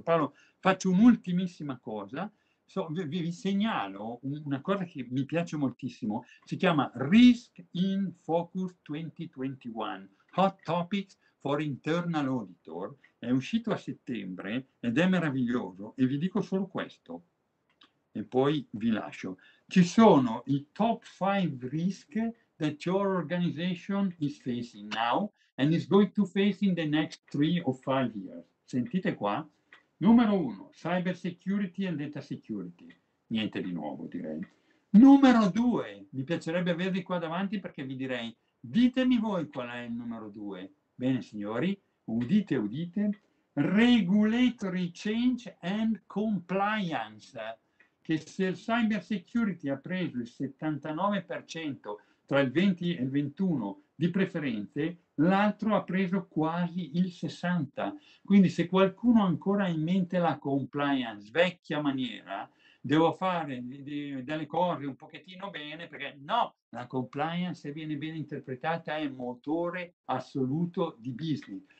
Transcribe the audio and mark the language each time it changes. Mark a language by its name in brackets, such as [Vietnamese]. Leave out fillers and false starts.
[Italian] Paolo, faccio un'ultimissima cosa. Vi segnalo una cosa che mi piace moltissimo, si chiama Risk in Focus 2021, Hot Topics for Internal Auditor, è uscito a settembre ed è meraviglioso, e vi dico solo questo, e poi vi lascio. Ci sono i [English] top 5 risks that your organization is facing now and is going to face in the next 3 or 5 years. [Italian] Sentite qua. Numero 1, [English] cyber security and data security. [Italian] Niente di nuovo, direi. Numero 2, mi piacerebbe avervi qua davanti perché vi direi, ditemi voi qual è il numero 2. Bene, signori, udite, udite. [English] Regulatory change and compliance. [Italian] Che se il cyber security ha preso il 79% tra il 20 e il 21 di preferenze, l'altro ha preso quasi il 60. Quindi se qualcuno ancora ha in mente la compliance vecchia maniera, devo fare delle cose un pochettino bene, perché no, la compliance, se viene bene interpretata, è motore assoluto di business.